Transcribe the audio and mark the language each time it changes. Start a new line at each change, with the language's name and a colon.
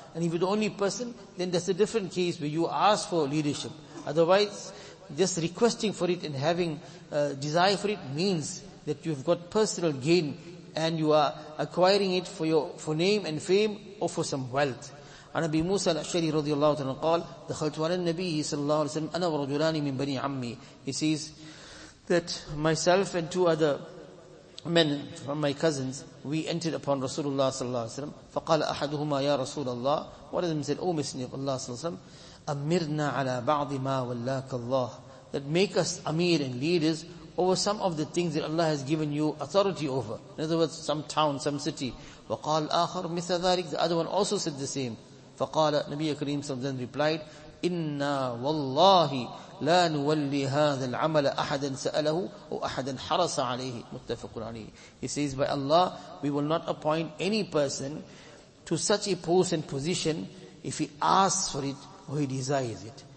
English: And if you're the only person, then that's a different case where you ask for leadership. Otherwise, just requesting for it and having desire for it means that you've got personal gain and you are acquiring it for name and fame or for some wealth.
Arabic: عن أبي موسى الأشعري رضي الله عنه قال دخلت على النبي صلى الله عليه وسلم أنا ورجلان من بني عمي.
English: He says that myself and two other men from my cousins, we entered upon Rasulullah صلى الله عليه وسلم.
Arabic: فقال أحدهما يا رسول الله.
English: One of them said, Oh Messenger of Allah
Arabic: صلى الله عليه وسلم, أمرنا على بعض ما ولاك الله.
English: That make us amir and leaders over some of the things that Allah has given you authority over. In other words, some town, some city.
Arabic: وقال آخر مثل ذلك.
English: The other one also said the same.
Arabic: فقال نبي كريم صلى الله عليه وسلم
English: replied,
Arabic: إِنَّا وَاللَّهِ لَا نُوَلِّي هَذَا الْعَمَلَ أَحَدًا سَأَلَهُ وَأَحَدًا حَرَصَ عَلَيْهِ مُتَّفَقٌ عَلَيْهِ
English: He says, by Allah, we will not appoint any person to such a post and position if he asks for it or he desires it.